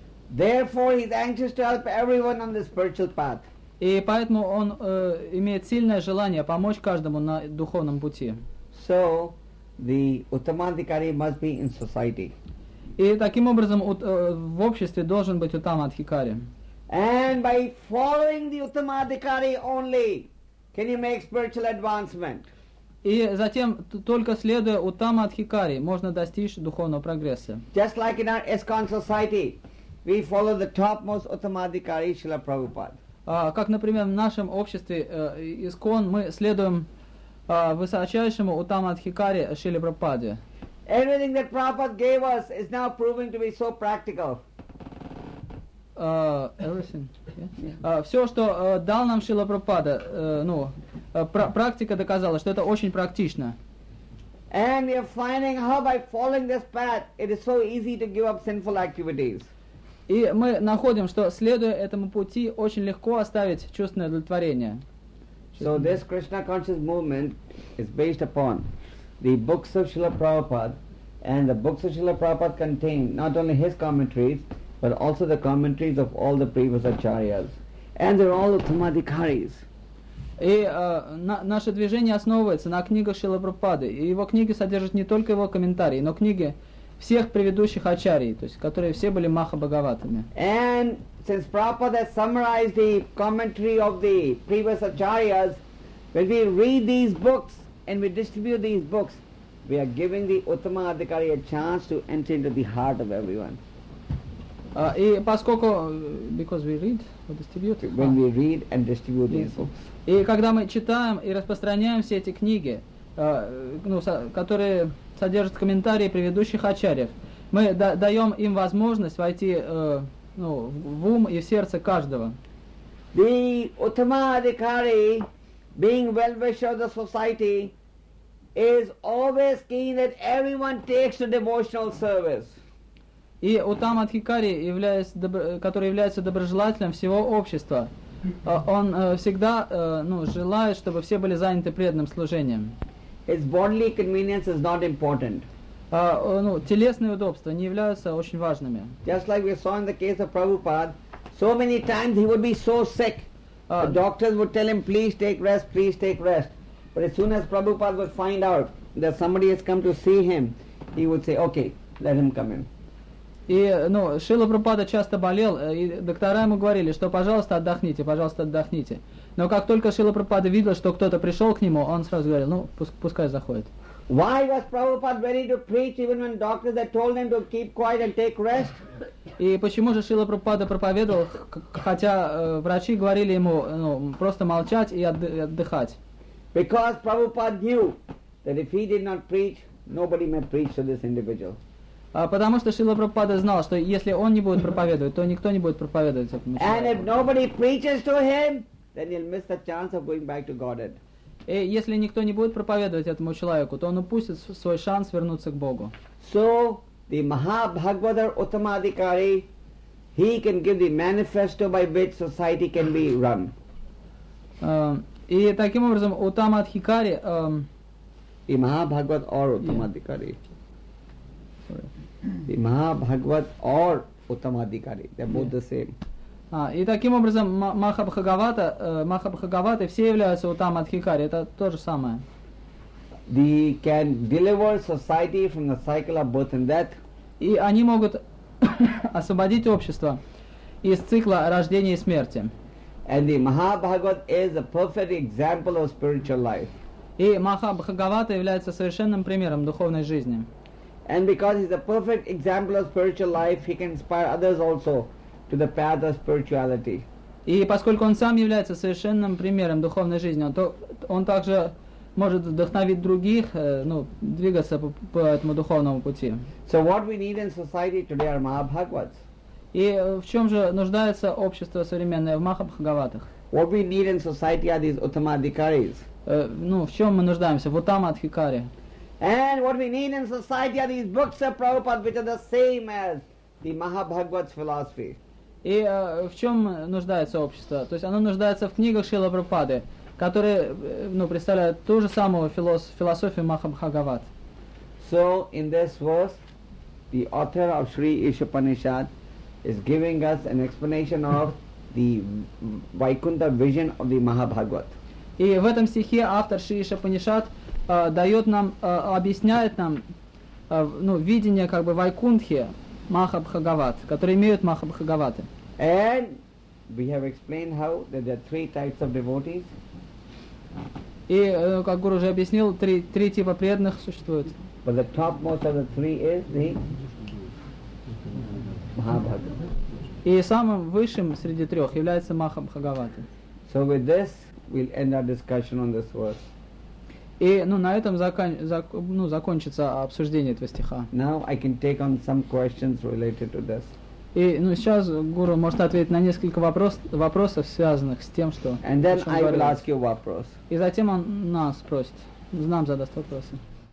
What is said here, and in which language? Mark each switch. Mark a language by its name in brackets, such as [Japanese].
[English] Therefore, he's anxious to help everyone on the spiritual path. [Russian] И поэтому он имеет сильное желание помочь каждому на духовном пути. [English] So, the Uttama Adhikari must be in society. [Russian] И таким образом в обществе должен быть Уттама Адхикари. [English] And by following the Uttama Adhikari only, can you make spiritual advancement? [Russian] И затем, только следуя Уттама Адхикари, можно достичь духовного прогресса. [English] Just like in our ISKCON society, we follow the topmost Uttama Adhikari, Srila Prabhupada. [Russian] Как, например, в нашем обществе ИСКОН мы следуем высочайшему Уттама Адхикари Шриле Прабхупаде. [English] Everything that Prabhupada gave us is now proving to be so practical. Everything. Yeah. [Russian] Все, что дал нам Шрила Прабхупада, практика доказала, что это очень практично. [English] And we are finding how by following this path, it is so easy to give up sinful activities. [Russian] И мы находим, что следуя этому пути, очень легко оставить чувственное удовлетворение. [English] So this Krishna conscious movement is based upon the books of Srila Prabhupada, and the books of Srila Prabhupada contain not only his commentaries, but also the commentaries of all the previous acharyas. And they're all uttamadhikaris. [Russian] И наше движение основывается на книгах Шрилы Прабхупады. И его книги содержат не только его комментарии, но книги всех предыдущих ачарий, то есть которые все были Махабхагаватами. [English] And since Prabhupada has summarized the commentary of the previous acharyas, when we read these books and we distribute these books, we are giving the uttamadhikari a chance to enter into the heart of everyone. [Russian] И поскольку, [English] because we read or distribute. When we read and distribute these books. [Russian] И когда мы читаем и распространяем все эти книги, которые содержат комментарии предыдущих ачарьев, мы даем им возможность войти в ум и в сердце каждого. [English] The uttama adhikari, being well-wisher of the society, is always keen that everyone takes to devotional service. [Russian] И Уттама Адхикари, который является доброжелателем всего общества, он всегда желает, чтобы все были заняты преданным служением. [English] His bodily convenience is not important. [Russian] Телесные удобства не являются очень важными. [English] Just like we saw in the case of Prabhupada, so many times he would be so sick, the doctors would tell him, please take rest. But as soon as Prabhupada would find out that somebody has come to see him, he would say, okay, let him come in. [Russian] И, Шрила Прабхупада часто болел, и доктора ему говорили, что пожалуйста, отдохните. Но как только Шрила Прабхупада видел, что кто-то пришел к нему, он сразу говорил, пускай заходит. [English] Why was Prabhupada ready to preach even when doctors had told him to keep quiet and take rest? [Russian] И почему же Шрила Прабхупада проповедовал, хотя врачи говорили ему, просто молчать и отдыхать? [English] Because Prabhupada knew that if he did not preach, nobody may preach to this individual. [Russian] Потому что Шрила Прабхупада знал, что если он не будет проповедовать, то никто не будет проповедовать этому человеку. [English] And if nobody preaches to him, then he'll miss the chance of going back to Godhead. [Russian] И если никто не будет проповедовать этому человеку, то он упустит свой шанс вернуться к Богу. [English] So the Mahabhagavatar Uttamadhikari, he can give the manifesto by which society can be run. [Russian] И таким образом Уттамадхикари, [English] и Mahabhagavat or Uttamadhikari. Yeah. The Mahabhagavat or Uttamadhikari, they're both the same. [Russian] И таким образом Махабхагавата все являются Уттамадхикари, это то же самое. [English] They can deliver society from the cycle of birth and death. [Russian] И они могут освободить общество из цикла рождения и смерти. [English] And the Mahabhagavat is a perfect example of spiritual life. [Russian] И Махабхагавата является совершенным примером духовной жизни. [English] And because he's a perfect example of spiritual life, he can inspire others also to the path of spirituality. [Russian] И поскольку он сам является совершенным примером духовной жизни, он также может вдохновить других, двигаться по этому духовному пути. [English] So what we need in society today are Mahabhagavats. [Russian] И в чем же нуждается общество современное в Махабхагаватах? [English] What we need in society are these Uttamadhikaris. [Russian] В чем мы нуждаемся? В Уттамадхикари. [English] And what we need in society are these books of Prabhupada, which are the same as the Mahabhagavat's philosophy. [Russian] И в чем нуждается общество? То есть оно нуждается в книгах Шрилы Прабхупады, которые представляют ту же самую философию Махабхагават. [English] So in this verse, the author of Sri Ishopanishad is giving us an explanation of the Vaikuntha vision of the Mahabhagavat. [Russian] И в этом стихе автор Шри Ишопанишад дает нам, объясняет нам видение Вайкунтхи Махабхагават, которые имеют Махабхагаваты. [English] And we have explained how that there are three types of devotees. [Russian] И, как Гуру уже объяснил, три типа преданных существует. [English] But the topmost of the three is the Mahabhagavat. [Russian] И самым высшим среди трех является Махабхагаваты. [English] So with this we'll end our discussion on this verse. [Russian] И на этом закончится обсуждение этого стиха. [English] Now I can take on some questions related to this. [Russian] И сейчас Гуру может ответить на несколько вопросов, связанных с тем, что. [English] And then I will ask you вопрос. [Russian] И затем он нас спросит, нам задаст вопросы.